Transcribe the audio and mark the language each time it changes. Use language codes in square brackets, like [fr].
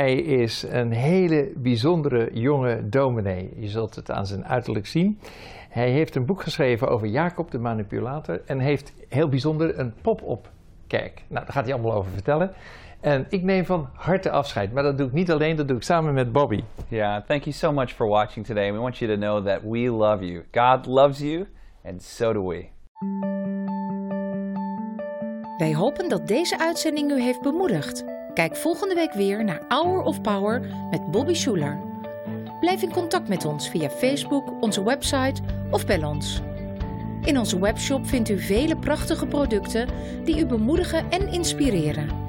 [nl] Hij is een hele bijzondere jonge dominee. Je zult het aan zijn uiterlijk zien. Hij heeft een boek geschreven over Jacob de manipulator. En heeft heel bijzonder een pop-up kerk. Nou, daar gaat hij allemaal over vertellen. En ik neem van harte afscheid, maar dat doe ik niet alleen, dat doe ik samen met Bobby. [en] Yeah, thank you so much for watching today. We want you to know that we love you. God loves you, and so do we. [nl] Wij hopen dat deze uitzending u heeft bemoedigd. Kijk volgende week weer naar Hour of Power met Bobby Schuller. Blijf in contact met ons via Facebook, onze website of bel ons. In onze webshop vindt u vele prachtige producten die u bemoedigen en inspireren.